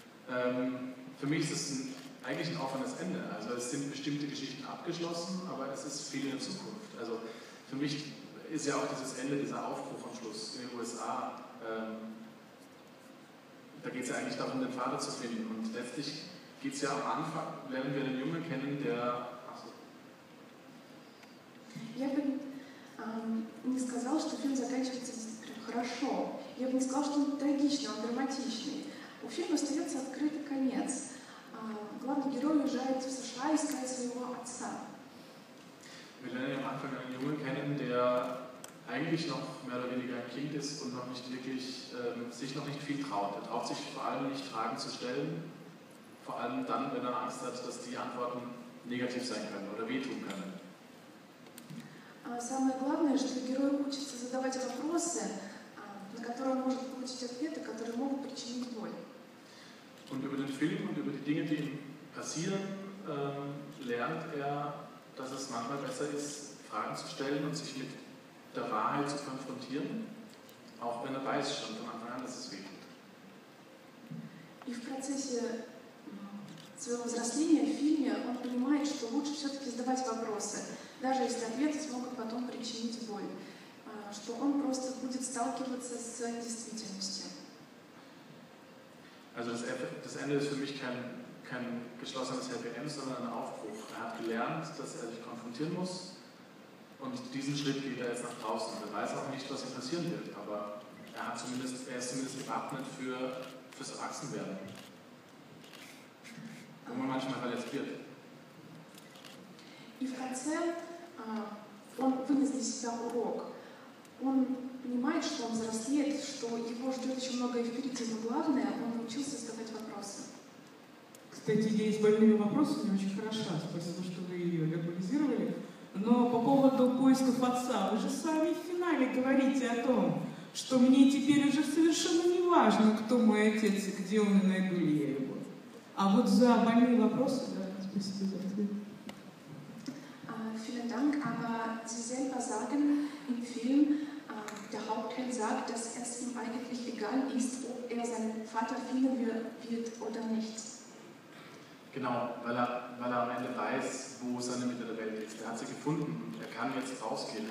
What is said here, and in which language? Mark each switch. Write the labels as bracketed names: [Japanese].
[German] Für mich ist es eigentlich ein offenes Ende. Also es sind bestimmte Geschichten abgeschlossen, aber es ist viel in der Zukunft. Also für mich ist ja auch dieses Ende, dieser Aufbruch am Schluss in den USA, da geht es ja eigentlich darum, den Vater zu finden. Und letztlich geht es ja am Anfang, lernen wir einen Jungen kennen, der... [Russian] Не сказал, что фильм заканчивается хорошо. Я бы не сказал, что он трагичный, он драматичный. У фильма остается открытый конец. Главный герой уезжает в США искать своего отца. Мы [German] lernen am Anfang einen Jungen kennen, der eigentlich noch mehr oder weniger ein Kind ist und noch nicht wirklich sich noch nicht viel traut. Er traut sich vor allem nicht, Fragen zu stellen. Vor allem dann, wenn er Angst hat, dass die Antworten negativ sein können oder wehtun können. [Russian] Самое главное, что герой учится задавать вопросы, на которые он может получить ответы, которые могут причинить боль. [German] Und über den Film und über die Dinge, die ihm passieren, lernt dass es manchmal besser ist, Fragen zu stellen und sich mit der Wahrheit zu konfrontieren, auch wenn weiß schon von Anfang an, dass es weh tut. [Russian] И в процессе своего взросления в фильме он понимает, что лучше все-таки задавать вопросы. Даже если ответы смогут потом причинить боль, что он просто будет сталкиваться с действительностью. [German] Also das Ende ist für mich kein geschlossenes Happy End, sondern ein Aufbruch. Er hat gelernt, dass sich konfrontieren muss und diesen Schritt geht jetzt nach draußen. Er weiß auch nicht, was ihm passieren wird, aber er ist zumindest gewappnet fürs Erwachsenwerden, wo man manchmal verletzt wird. [Russian] И в конце он вынес для себя урок. Он понимает, что он взрослеет, что его ждет еще многое впереди, но главное, он научился задавать вопросы. Кстати, идея с больными вопросами очень хороша. Спасибо, что вы ее легализировали. Но по поводу поисков отца, вы же сами в финале говорите о том, что мне теперь уже совершенно не важно, кто мой отец и где он, и найду ли я его. А вот за больные вопросы, да, спасибо за ответ. [German] Vielen Dank, aber Sie selber sagen im Film, der Hauptheld sagt, dass es ihm eigentlich egal ist, ob er seinen Vater finden wird oder nicht. Genau, weil er am Ende weiß, wo seine Mitte der Welt ist. Er hat sie gefunden und er kann jetzt rausgehen.